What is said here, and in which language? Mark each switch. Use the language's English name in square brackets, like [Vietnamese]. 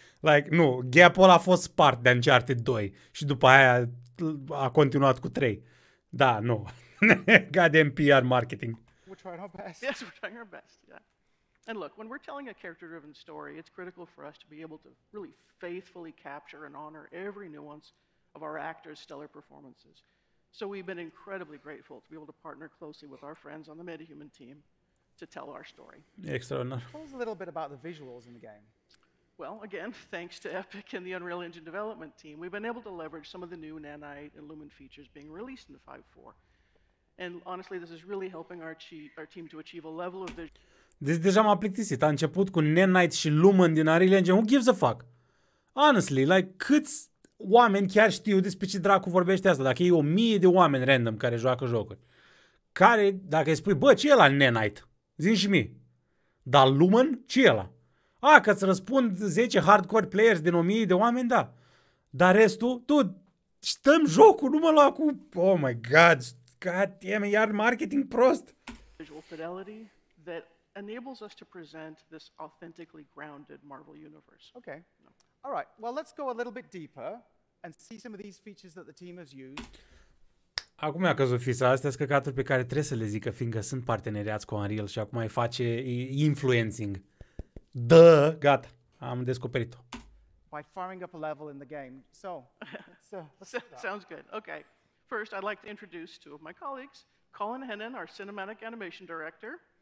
[Romanian] Like, nu, gap-ul a fost spart de Uncharted 2 și după aia a continuat cu 3. Da, nu. [English] Goddamn PR marketing. We're trying our best. Yes, we're trying our best, yeah. And look, when we're telling a character-driven story, it's critical for us to be able to really faithfully capture and honor every nuance of our actors' stellar performances. So we've been incredibly grateful to be able to partner closely with our friends on the MetaHuman team to tell our story. Extraordinary. Tell us a little bit about the visuals in the game. Well, again, thanks to Epic and the Unreal Engine development team, we've been able to leverage some of the new Nanite and Lumen features being released in the 5.4. And honestly, this is really helping our team to achieve a level of vision. [Romanian] Deci deja m-a plictisit. A început cu Nanite și Lumen din Unreal Engine. [English] Who gives a fuck? Honestly, like, [Romanian] câți... Oameni chiar știu despre ce dracu vorbește asta, dacă e 1000 de oameni random care joacă jocuri. Care, dacă îi spui, bă, ce e ăla Nanite? Zi-mi și mie. Dar Lumen, ce e ăla? A, că îți răspund 10 [English] hardcore players [Romanian] din 1000 de oameni, da. Dar restul, tu, stăm jocul, nu mă lua cu... [English] Oh my god, god damn, [Romanian] iar marketing prost. [English] Visual fidelity that enables us to present this authentically grounded Marvel universe. Okay. All right, well, let's go a little bit deeper and see some of these features that the team has used. [Romanian] Acum i-a căzut fisa, astea-s căcaturi pe care trebuie să le zică, fiindcă sunt parteneriați cu Unreal și acum îi face influencing. Duh, gata, am descoperit-o. [English] By firing up a level in the game. So, sounds good. Okay, first I'd like to introduce two of my colleagues, Colin Hennen, our cinematic animation director.